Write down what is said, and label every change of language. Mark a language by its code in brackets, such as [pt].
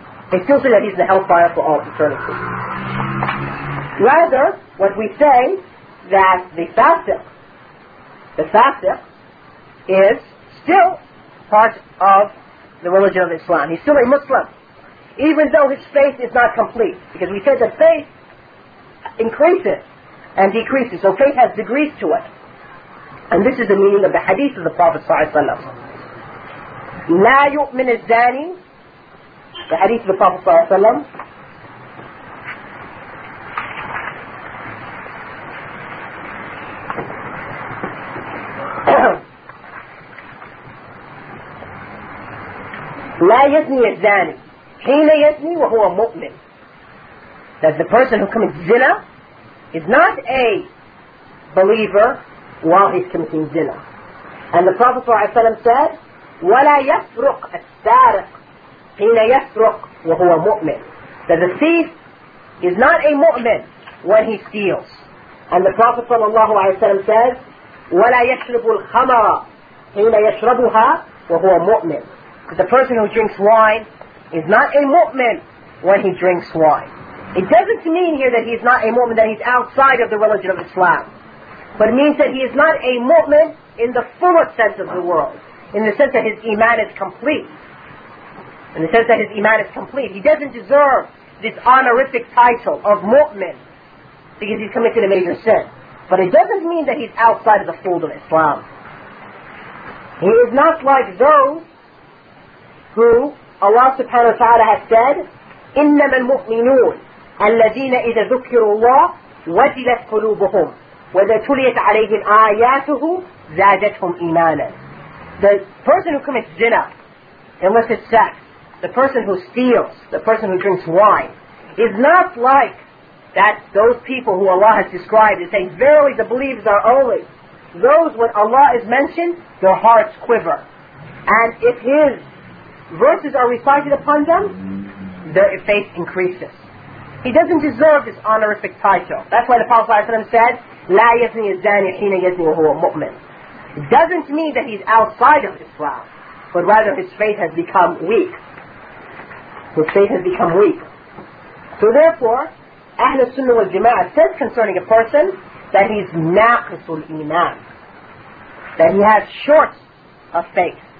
[en] They still say that he's in the hellfire for all eternity. Rather, what we say, that the fasiq is still part of the religion of Islam. He's still a Muslim, even though his faith is not complete. Because we said that faith increases and decreases. So faith has degrees to it. And this is the meaning of the hadith of the Prophet Sallallahu Alaihi Wasallam. [ar] لا يؤمن الزاني, [en] the hadith of the Prophet Sallallahu Alaihi Wasallam, [ar] لا يزني الزاني حين يزني وهو مؤمن. [en] That the person who commits zina is not a believer while he's committing zina. And the Prophet ﷺ said, [ar] ولا يسرق السارق حين يسرق وهو مؤمن. [en] That the thief is not a mu'min when he steals. And the Prophet ﷺ says, [ar] ولا يشرب الخمر حين يشربها وهو مؤمن. [en] The person who drinks wine is not a mu'min when he drinks wine. It doesn't mean here that he's not a mu'min, that he's outside of the religion of Islam. But it means that he is not a mu'min in the fullest sense of the world. In the sense that his iman is complete. He doesn't deserve this honorific title of mu'min because he's committed a major sin. But it doesn't mean that he's outside of the fold of Islam. He is not like those who Allah subhanahu wa ta'ala has said, [ar] إِنَّمَا الْمُؤْمِنُونَ الَّذِينَ إِذَا ذُكِّرُوا اللَّهِ وَجِلَتْ قُلُوبُهُمْ وَذَا تُلِيَتْ عَلَيْهِمْ آيَاتُهُ زَادَتْهُمْ إِيمَانًا. [en] The person who commits zina, illicit sex, the person who steals, the person who drinks wine, is not like that those people who Allah has described and saying, verily the believers are only. Those, when Allah is mentioned, their hearts quiver. And if his verses are recited upon them, their faith increases. He doesn't deserve this honorific title. That's why the Prophet ﷺ said, [ar] لَا يَزْنِي الزَّانِي حِينَ يَزْنِي وَهُوَ مُؤْمِنٌ. [en] It doesn't mean that he's outside of Islam, but rather his faith has become weak. His faith has become weak. So therefore, Ahlul Sunnah wal Jama'ah says concerning a person that he's naqisul iman, that he has short of faith.